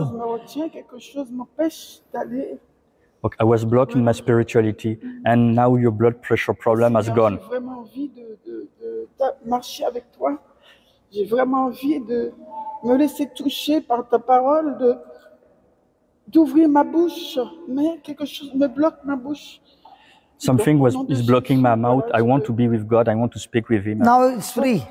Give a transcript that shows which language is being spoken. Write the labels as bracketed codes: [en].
[fr] Quelque chose me retient, quelque chose m'empêche d'aller. [en] Okay, I was blocking my spirituality, and now your blood pressure problem has gone. [fr] J'ai vraiment envie de marcher avec toi. J'ai vraiment envie de me laisser toucher par ta parole, d'ouvrir ma bouche, mais quelque chose me bloque ma bouche. [en] Something is blocking my mouth. I want to be with God. I want to speak with Him. Now it's free.